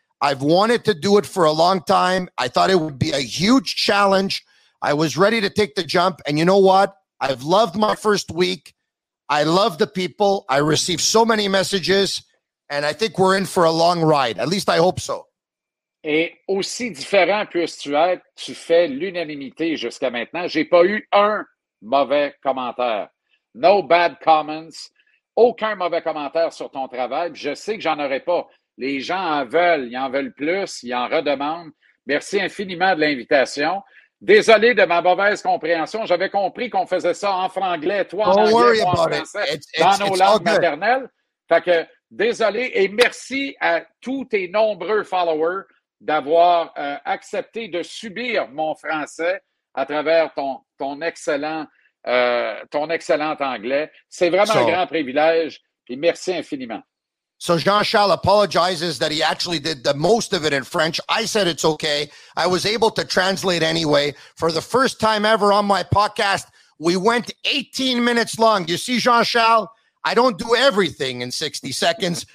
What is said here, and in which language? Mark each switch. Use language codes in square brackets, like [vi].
[en] I've wanted to do it for a long time. I thought it would be a huge challenge. I was ready to take the jump. And you know what? I've loved my first week. I love the people. I received so many messages. And I think we're in for a long ride. At least I hope so. [fr] Et aussi différent puisses-tu être, tu fais l'unanimité jusqu'à maintenant. J'ai pas eu un mauvais commentaire. [en] No bad comments. [fr] Aucun mauvais commentaire sur ton travail. Je sais que j'en aurais pas. Les gens en veulent. Ils en veulent plus. Ils en redemandent. Merci infiniment de l'invitation. Désolé de ma mauvaise compréhension. J'avais compris qu'on faisait ça en franglais. Toi, en anglais, toi, en français. Dans nos langues maternelles. Fait que, désolé et merci à tous tes nombreux followers d'avoir accepté de subir mon français à travers ton excellent anglais. C'est vraiment un grand privilège et merci infiniment. [en] So Jean-Charles apologizes that he actually did the most of it in French. I said it's okay. I was able to translate anyway. For the first time ever on my podcast, we went 18 minutes long. You see, Jean-Charles, I don't do everything in 60 seconds.